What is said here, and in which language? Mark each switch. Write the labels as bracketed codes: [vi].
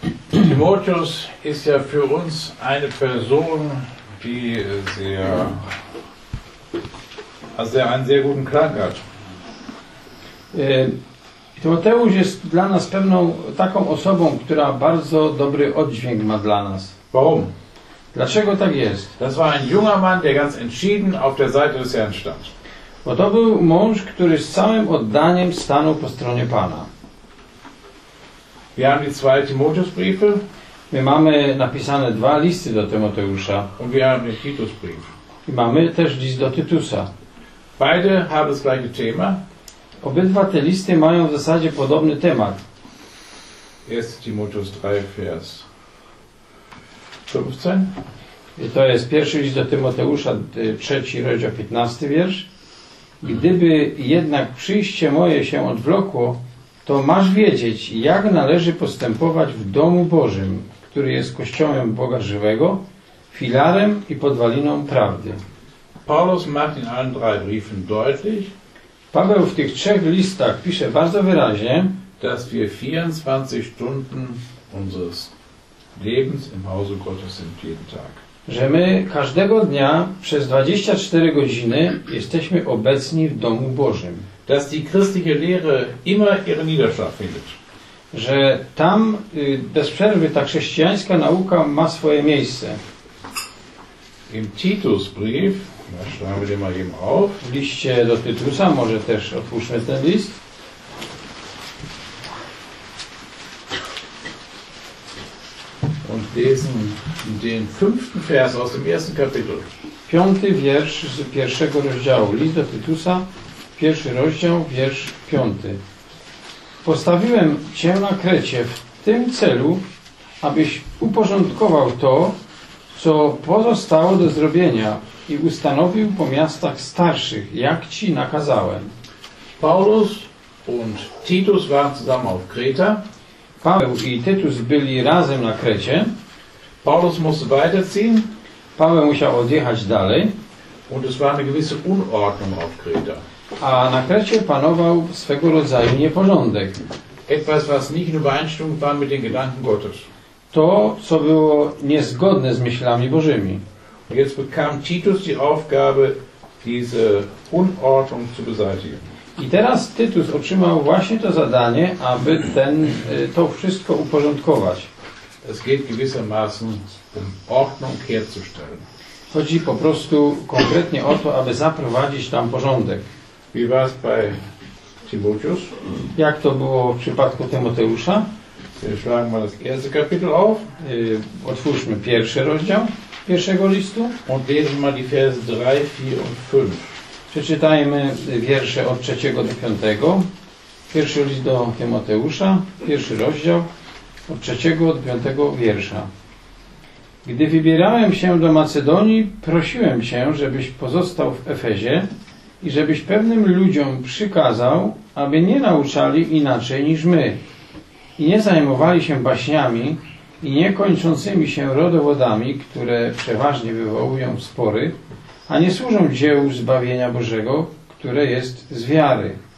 [de] Timotheus ist ja für uns eine Person, die sehr, also einen sehr guten Klang hat. [pl] Timoteusz jest dla nas pewną taką osobą, która bardzo dobry oddźwięk ma dla nas. [de] Warum? [pl] Dlaczego tak jest? [de] Das war ein junger Mann, der ganz entschieden auf der Seite des Herrn stand. [pl] Bo to był mąż, który z całym oddaniem stanął po stronie Pana. [de] Wir haben die zwei Timotheusbriefe. [pl] My mamy napisane dwa listy do Tymoteusza. [de] Und wir haben den Titusbrief. [pl] I mamy też list do Tytusa. [de] Beide haben das gleiche Thema. [pl] Obydwa te listy mają w zasadzie podobny temat. Jest Timoteusz 3, vers 15. I to jest pierwszy list do Tymoteusza, 3, rozdział 15 wiersz. Gdyby jednak przyjście moje się odwlokło, to masz wiedzieć, jak należy postępować w domu Bożym, który jest kościołem Boga żywego, filarem i podwaliną prawdy. [de] Paulus macht in allen drei Briefen deutlich, [pl] Paweł w tych trzech listach pisze bardzo wyraźnie, [de] dass wir 24 Stunden unseres Lebens im Hause Gottes sind jeden Tag. [pl] Że my każdego dnia przez 24 godziny jesteśmy obecni w Domu Bożym. [de] Dass die christliche Lehre immer ihren Niederschlag findet. [pl] Że tam bez przerwy ta chrześcijańska nauka ma swoje miejsce. [de] Im Titusbrief, da schreiben wir den mal eben auf. [pl] W liście do Tytusa, może też otwórzmy ten list. [de] Und lesen den fünften Vers aus dem ersten Kapitel. [pl] Piąty wiersz z pierwszego rozdziału. List do Tytusa, pierwszy rozdział, wiersz piąty. Postawiłem cię na Krecie w tym celu, abyś uporządkował to, co pozostało do zrobienia i ustanowił po miastach starszych, jak ci nakazałem. [de] Paulus und Titus waren zusammen auf Kreta. [pl] Paweł i Tytus byli razem na Krecie. [de] Paulus musste weiterziehen. [pl] Paweł musiał odjechać dalej. [de] Und es war eine gewisse Unordnung auf Kreta. [pl] A na Krecie panował swego rodzaju nieporządek. [de] Etwas, was nicht in Übereinstimmung war mit den Gedanken Gottes. [pl] To, co było niezgodne z myślami Bożymi. [de] Jetzt bekam Titus die Aufgabe, diese Unordnung zu beseitigen. [pl] I teraz Tytus otrzymał właśnie to zadanie, aby ten, to wszystko uporządkować. [de] Es geht gewissermaßen um Ordnung herzustellen. [pl] Chodzi po prostu konkretnie o to, aby zaprowadzić tam porządek. [de] Wie war es bei Timotheus? [pl] Jak to było w przypadku Tymoteusza? [de] Schlagen wir das erste Kapitel auf. [pl] Otwórzmy pierwszy rozdział pierwszego listu. [de] Und lesen mal die Verse 3, 4 und 5. [pl] Przeczytajmy wiersze od 3 do 5. Pierwszy list do Tymoteusza, pierwszy rozdział, od 3 do 5 wiersza. Gdy wybierałem się do Macedonii, prosiłem cię, żebyś pozostał w Efezie i żebyś pewnym ludziom przykazał, aby nie nauczali inaczej niż my i nie zajmowali się baśniami i niekończącymi się rodowodami, które przeważnie wywołują spory, a nie służą dziełu zbawienia Bożego, które jest z wiary.